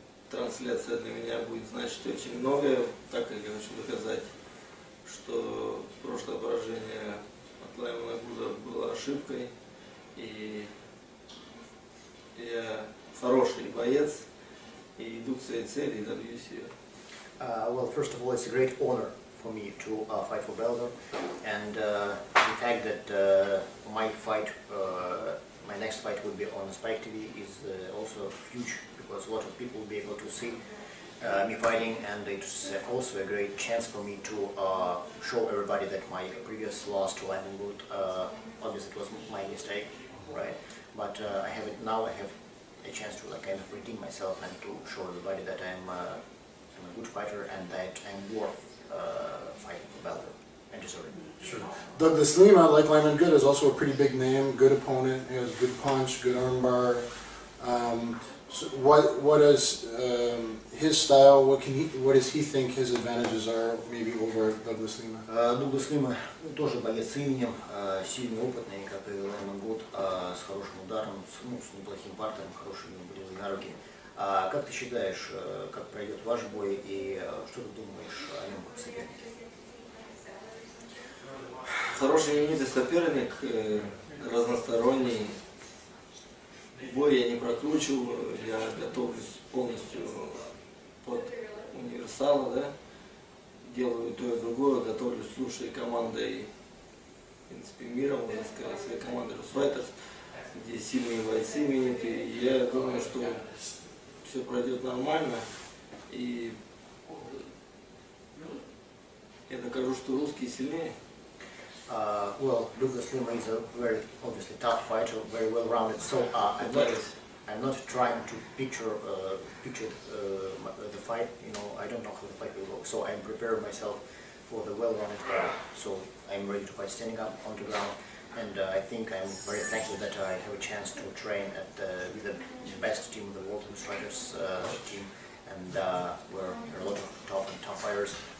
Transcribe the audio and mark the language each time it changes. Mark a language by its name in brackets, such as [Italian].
[Russian] Трансляция для меня будет значить очень многое, так как я хочу доказать, что прошлое поражение от Лайма Гуза было ошибкой. И я хороший боец и иду к своей цели и добьюсь ее. [English] Well, first of all, it's a great honor for me to fight for Bellator, and the fact that my next fight will be on Spike TV is also huge, because a lot of people will be able to see me fighting, and it's also a great chance for me to show everybody that my previous loss to Ivanwood, obviously it was my mistake, right? But I have it now. I have a chance to like kind of redeem myself and to show everybody that I'm a good fighter and that I'm worth fighting for Bellator. Sure. Douglas Lima, like Lyman Good, is also a pretty big name, good opponent, he has good punch, good armbar. What is his style, what does he think his advantages are, maybe over Douglas Lima? [Russian] Douglas Lima, тоже боец с именем, сильный, опытный, как и Lyman Good, с хорошим ударом, с неплохим партером, хорошими были на руки. А как ты считаешь, как пройдет ваш бой и что ты думаешь о нем как сопернике? Хороший именитый соперник, разносторонний. Бой я не прокручиваю, я готовлюсь полностью под универсала, да? Делаю то и другое, готовлюсь с лучшей командой, в принципе, мира, можно сказать, своей командой Real Combatives, где сильные бойцы именитые. Я думаю, что все пройдет нормально, и я докажу, что русские сильнее. [English] Well, Douglas Lima is a very obviously tough fighter, very well rounded. So I'm not trying to picture the fight. You know, I don't know how the fight will look. So I'm preparing myself for the well rounded fight. So I'm ready to fight standing up on the ground. And I think I'm very thankful that I have a chance to train at with the best team in the world, the Instructors team, and where there are a lot of top fighters.